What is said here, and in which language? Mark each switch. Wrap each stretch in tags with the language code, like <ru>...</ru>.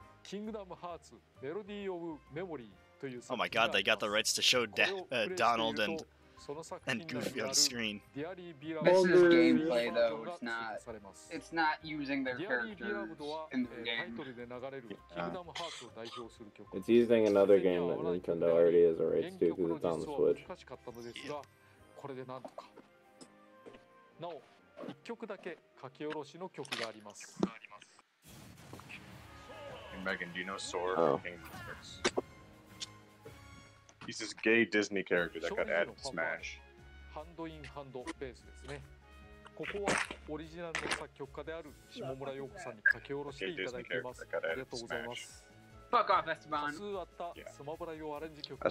<en>Oh my god, they got the rights to show Donald and Goofy on screen. This is gameplay, though. It's not using their characters in the game. Yeah. It's using another game that Nintendo already has a rights to because it's on the Switch. Yeah.</en> <ja>なお、一曲だけ書き下ろしの曲があります。</ja> <en>Hey, Megan, do you know Sora from Angry Birds? He's this gay Disney character that got added to Smash.</en> <ja>ハンドインハンドベースですね。ここはオリジナルの作曲家である下村陽子さんに書き下ろしていただきます。ありがとうございます。</ja> <en>Fuck off, Esteban.</en> <ja>多数あったスマブラ用アレンジ曲も</ja>